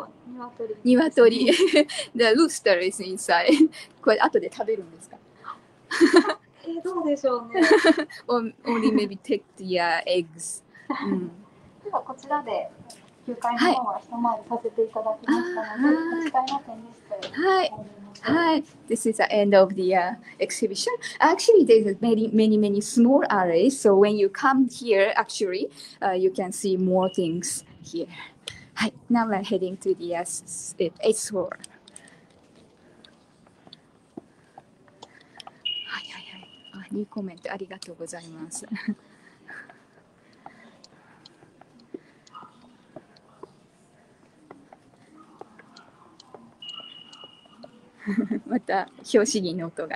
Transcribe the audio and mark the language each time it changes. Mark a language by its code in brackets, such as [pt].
[ja] 道、鶏。 [en] The rooster is inside. [ja] これ、後で食べるんですか？どうでしょうね。 [en] Only maybe take the eggs. 、うん、 [ja] ではこちらで休会の方は一回させていただきましたので、はい、 8階の展示室 [en] で、はい、はい、This is the end of the、exhibition. Actually, there's many, many, many small areas. So when you come here, actually,、you can see more things here. はい、now we're heading to the 8th floor. [ja] はいはいはい、あ、ニューコメントありがとうございます。また拍子木の音が。